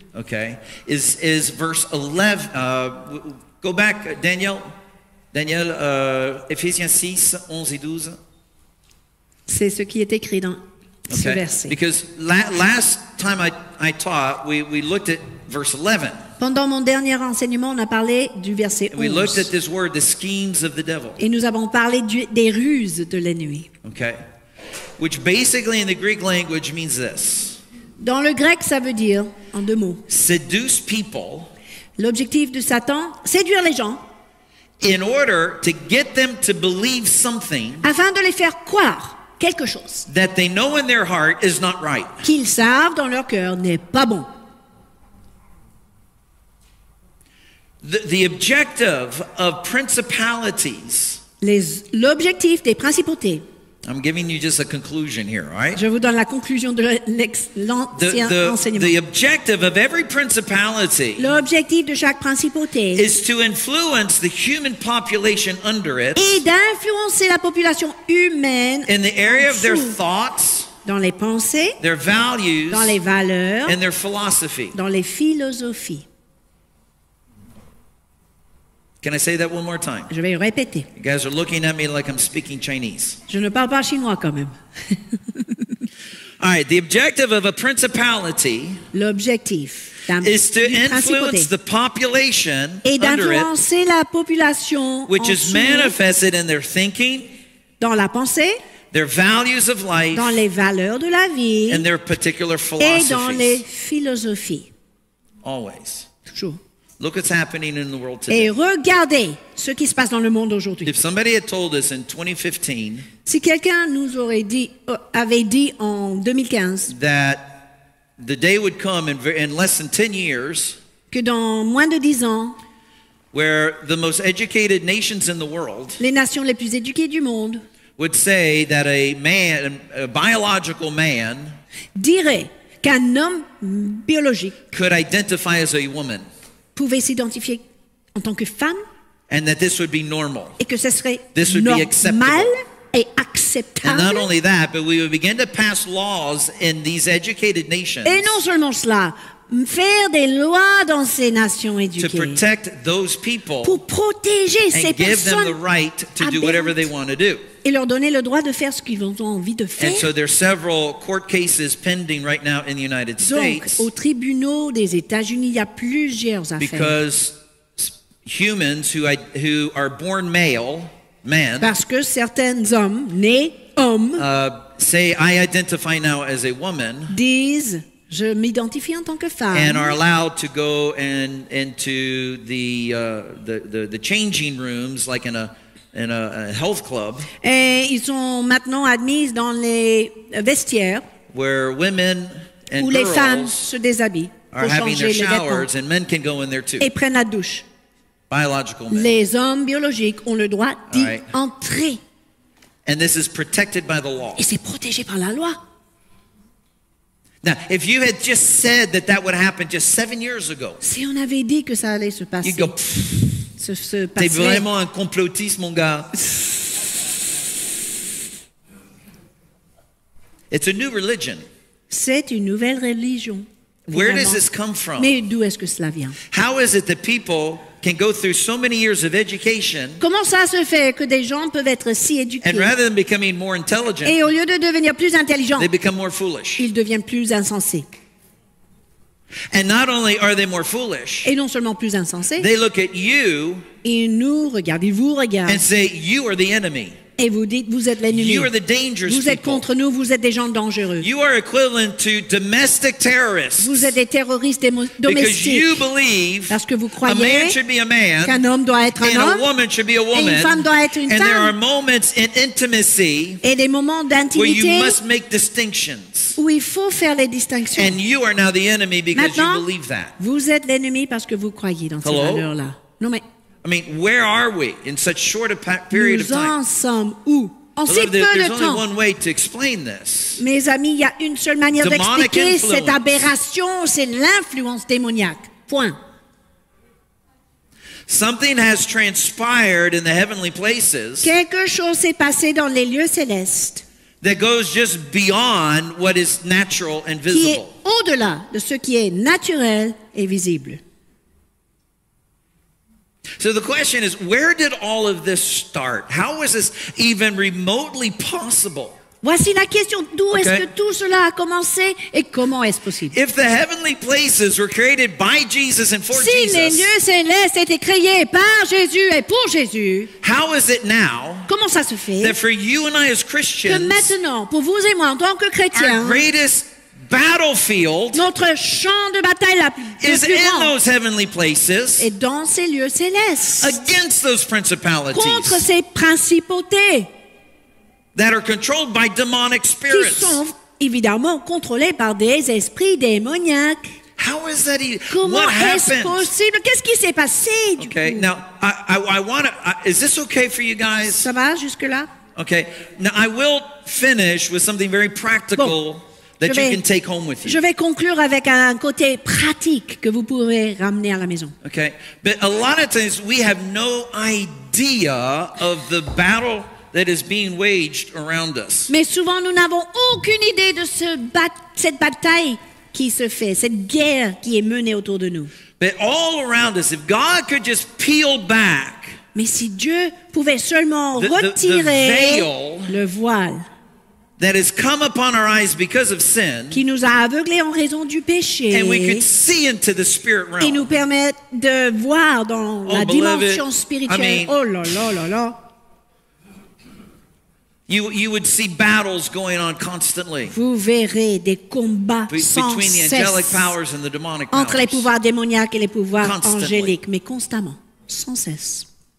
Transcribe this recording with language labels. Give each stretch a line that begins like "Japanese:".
English: Okay. Is verse 11. Go back, Daniel.
French: Daniel, Ephésiens 6, 11 et 12. C'est ce qui est écrit dans...
English: Okay. Because last time I taught, we looked at verse 11.
French: Pendant mon dernier enseignement, on a parlé du verset 11.
English: We looked at this word, the schemes of the devil.
French: Et nous avons parlé des ruses de l'ennemi.
English: Okay. Which basically in the Greek language means this.
French: Dans le grec, ça veut dire, en deux mots.
English: Seduce people.
French: L'objectif de Satan, séduire les gens.
English: In order to get them to believe something.
French: Afin de les faire croire. Quelque chose
English: that they know in their heart is not right.
French: Qu'ils savent dans leur cœur n'est pas bon.
English: The objective of principalities.
French: L'objectif des principautés.
English: I'm giving you just a conclusion here, right?
French: Je vous donne la conclusion de l'ancien enseignement.
English: The objective of every principality.
French: L'objectif de chaque principauté
English: is to influence the human population under it.
French: Et d'influencer la population humaine
English: in the area of their thoughts.
French: Dans les pensées.
English: Their values.
French: Dans les valeurs.
English: And their philosophy.
French: Dans les philosophies.
English: Can I say that one more time?
French: Je vais répéter.
English: You guys are looking at me like I'm speaking Chinese.
French: Je ne parle pas chinois quand même.
English: All right, the objective of a principality
French: l'objectif
English: is to influence the population
French: et d'influencer la population
English: which is manifested in their thinking
French: dans la pensée
English: their values of life
French: dans les valeurs de la vie
English: and their particular philosophies
French: et dans les philosophies.
English: Always.
French: Toujours.
English: Look what's happening in the world today.
French: Et regardez ce qui se passe dans le monde aujourd'hui.
English: If somebody had told us in 2015,
French: si quelqu'un nous aurait dit, avait dit en 2015,
English: that the day would come in less than 10 years,
French: que dans moins de 10 ans,
English: where the most educated nations in the world,
French: les nations les plus éduquées du monde,
English: would say that a man, a biological man,
French: dirait qu'un homme biologique
English: could identify as a woman,
French: pouvait s'identifier en tant que femme,
English: and that this would be normal,
French: et que ce serait normal et acceptable.
English: And not only that, but we would begin to pass laws in these educated nations.
French: Et non seulement cela, faire des lois dans ces nations éduquées,
English: to protect those people,
French: pour protéger ces
English: and give
French: personnes
English: them the right to do whatever they want to do.
French: Et leur donner le droit de faire ce qu'ils ont envie de faire.
English: And so there are several court cases pending right now in the United States.
French: Donc, aux tribunaux des États-Unis, il y a plusieurs affaires.
English: Because humans who are born male, men,
French: parce que certains hommes nés hommes,
English: say I identify now as a woman,
French: disent je m'identifie en tant que femme,
English: and are allowed to go into the changing rooms like in a health club.
French: Et ils sont maintenant admis dans les vestiaires
English: where women and
French: où
English: girls
French: les femmes se déshabillent
English: are having their showers and men can go in there too.
French: Et prennent la douche.
English: Biological men.
French: Les hommes biologiques ont le droit d'y
English: right.
French: entrer.
English: And this is protected by the law.
French: Et c'est protégé par la loi.
English: Now, if you had just said that that would happen just 7 years ago,
French: si on avait dit que ça allait se passer,
English: you'd go,
French: pfff. T'es vraiment un complotiste, mon gars.
English: It's a new religion.
French: C'est une nouvelle religion. Vraiment.
English: Where does this come from?
French: Mais d'où est-ce que cela vient?
English: How is it that people can go through so many years of education,
French: comment ça se fait que des gens peuvent être si éduqués,
English: and rather than becoming more intelligent,
French: et au lieu de devenir plus intelligents,
English: they become more foolish.
French: Ils deviennent plus insensés.
English: And not only are they more foolish,
French: et non seulement plus insensés,
English: they look at you,
French: et nous regardent, ils vous regardent,
English: and say you are the enemy.
French: Et vous dites, vous êtes l'ennemi.
English: You are the dangerous
French: vous êtes
English: people.
French: Contre nous, vous êtes des gens dangereux.
English: You are equivalent to domestic terrorists.
French: Vous êtes des terroristes domestiques.
English: Because you believe,
French: parce que vous croyez,
English: a man should be a man,
French: qu'un homme doit être un
English: and
French: homme,
English: a woman should be a woman,
French: et une femme doit être une
English: and
French: femme.
English: There are moments in intimacy,
French: et des moments d'intimité,
English: where you must make distinctions,
French: où il faut faire les distinctions.
English: And you are now the enemy because
French: maintenant,
English: you believe that.
French: Vous êtes l'ennemi parce que vous croyez dans
English: Hello?
French: Ces valeurs-là. Non mais.
English: I mean, where are we in such short a period
French: nous
English: of time?
French: Nous en sommes où? En si peu de temps.
English: There's only one way to explain this.
French: Mes amis, il y a une seule manière
English: Demonic
French: d'expliquer
English: influence.
French: Cette aberration, c'est l'influence démoniaque. Point.
English: Something has transpired in the heavenly places.
French: Quelque chose s'est passé dans les lieux célestes.
English: That goes just beyond what is natural and visible.
French: Qui est au-delà de ce qui est naturel et visible.
English: So the question is, where did all of this start? How was this even remotely possible?
French: Voici la question, d'où okay. est-ce que tout cela a commencé et comment est-ce possible?
English: If the heavenly places were created by Jesus and for
French: si
English: Jesus,
French: les lieux célestes étaient créés par Jésus et pour Jésus,
English: how is it now
French: comment ça se fait
English: that for you and I as Christians,
French: que maintenant, pour vous et moi en tant que chrétiens,
English: our greatest battlefield
French: notre champ de bataille la plus
English: is in those heavenly places
French: et dans ces lieux célestes
English: against those principalities
French: contre ces principautés
English: that are controlled by demonic spirits
French: qui sont évidemment contrôlés par des esprits démoniaques.
English: How is that even?
French: Comment
English: what happened?
French: Est-ce possible? Qu'est-ce qui s'est passé du
English: okay
French: coup?
English: Now I want to is this okay for you guys?
French: Ça va jusque là?
English: Okay, now I will finish with something very practical
French: bon.
English: That
French: vais,
English: you can take home with you.
French: Je vais conclure avec un côté pratique que vous pourrez ramener à la maison.
English: Okay. But a lot of times we have no idea of the battle that is being waged around us.
French: Mais souvent nous n'avons aucune idée de cette bataille qui se fait, cette guerre qui est menée autour de nous.
English: But all around us, if God could just peel back.
French: Mais si Dieu pouvait seulement retirer le voile.
English: That has come upon our eyes because of sin.
French: Qui nous a aveuglés en raison du péché.
English: And we could see into the spirit realm.
French: Et nous permet de voir dans oh, la
English: beloved,
French: dimension spirituelle.
English: I mean,
French: oh là là là là.
English: You would see battles going on constantly.
French: Vous verrez des combats sans
English: between the angelic powers and the demonic powers.
French: Entre les pouvoirs démoniaques et les pouvoirs angéliques, mais constamment, sans cesse.